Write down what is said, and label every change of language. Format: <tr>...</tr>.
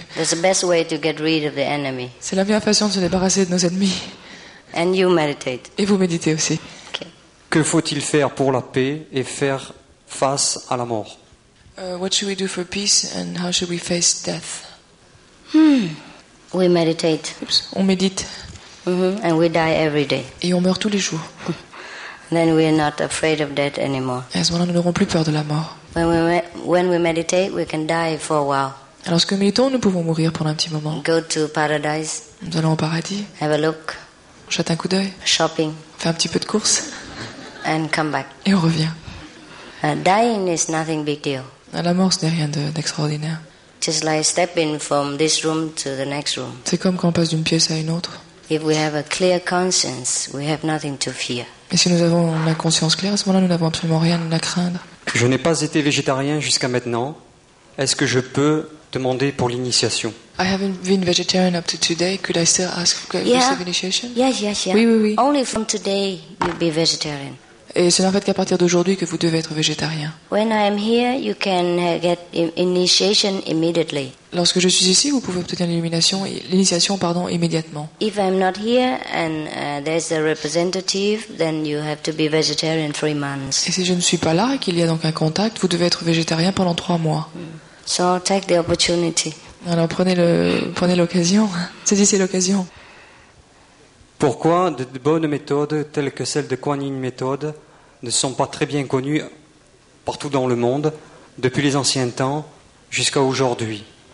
<en>That's the best way to get rid of the enemy.</en> <fr>C'est la meilleure façon de se débarrasser de nos ennemis.</fr> <en>And you meditate.</en> <fr>Et vous méditez aussi.</fr> <en>Okay.</en> <fr>Que faut-il faire pour la paix et faire face à la mort?</fr> <en>What should we do for peace and how should we face death? We meditate.</en> <fr>Oops. On médite.</fr> <en>And we die every day.</en> <fr>Et on meurt tous les jours.</fr> <en>Then we are not afraid of death anymore.</en> <fr>Et à ce moment-là, nous n'aurons plus peur de la mort.</fr> <en>When we meditate, we can die for a while.</en> <fr>Alors, ce que méditons, nous pouvons mourir pendant un petit moment.</fr> <en>Go to paradise.</en> <fr>Nous allons au paradis.</fr> <en>Have a look.</en> <fr>On jette un coup d'œil.</fr> <en>Shopping.</en> <fr>On fait un petit peu de course.</fr> <en>And come back.</en> <fr>Et on revient.</fr> <en>Dying is nothing big deal.</en> <fr>La mort, ce n'est rien d'extraordinaire.</fr> <en>Just like stepping from this room to the next room.</en> <fr>C'est comme quand on passe d'une pièce à une autre.</fr> <en>If we have a clear conscience, we have nothing to fear.</en> <fr>Et si nous avons la conscience claire, à ce moment-là, nous n'avons absolument rien à craindre. Je n'ai pas été végétarien jusqu'à maintenant. Est-ce que je peux demander pour l'initiation?</fr> <en>I haven't been vegetarian up to today. Could I still ask for initiation? Yes.</en> <fr>Oui.</fr> <en>Only from today you'll be vegetarian.</en> <fr>Et ce n'est en fait qu'à partir d'aujourd'hui que vous devez être végétarien.</fr> <en>When I am here, you can get initiation immediately.</en> <fr>Lorsque je suis ici, vous pouvez obtenir l'initiation, immédiatement.</fr> <en>If I am not here and there's a representative, then you have to be vegetarian 3 months.</en> <fr>Et si je ne suis pas là et qu'il y a donc un contact, vous devez être végétarien pendant 3 mois.</fr> <en>So take the opportunity.</en> <fr>Alors prenez l'occasion. Saisissez l'occasion. Pourquoi de bonnes méthodes telles que celle de Kuan Yin méthode ne sont pas très bien connues partout dans le monde depuis les anciens temps jusqu'à aujourd'hui?</fr>